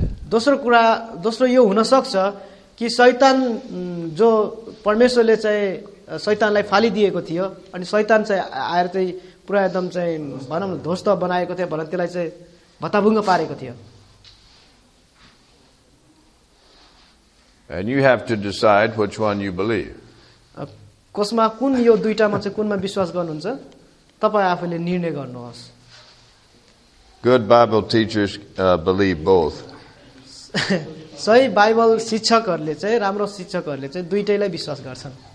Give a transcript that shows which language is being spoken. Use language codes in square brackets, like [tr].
[ne] दोस्रो कुरा दोस्रो यो हुन सक्छ कि शैतान जो परमेश्वरले चाहिँ शैतानलाई फालिदिएको थियो अनि शैतान चाहिँ आएर चाहिँ पुरा एकदम चाहिँ भनौँ ध्वस्त बनाएको थियो भनेर त्यसलाई चाहिँ भत्ताभुङ्ग पारेको थियो. [en] And you have to decide which one you believe. [ne] कसमा कुन यो दुईटामा चाहिँ कुनमा विश्वास गर्नुहुन्छ तपाईँ आफैले निर्णय गर्नुहोस्. [en] Good Bible teachers believe both. [ne] सही बाइबल शिक्षकहरूले चाहिँ राम्रो शिक्षकहरूले चाहिँ दुईटैलाई विश्वास गर्छन्.